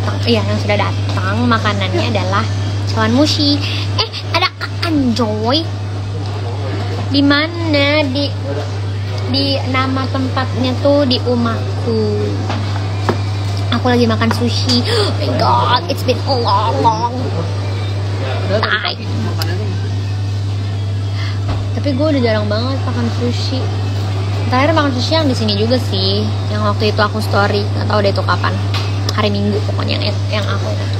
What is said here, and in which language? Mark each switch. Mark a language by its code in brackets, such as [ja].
[id] Yang sudah datang makanannya adalah cawan mushi. Ada Anjoy. Di mana? Di nama tempatnya tuh di Umaku. Aku lagi makan sushi. [en] Oh my god, it's been a long time. [id] Tapi gue udah jarang banget makan sushi. Terakhir makan sushi yang di sini juga sih, yang waktu itu aku story, nggak tahu deh itu kapan, hari Minggu pokoknya yang aku.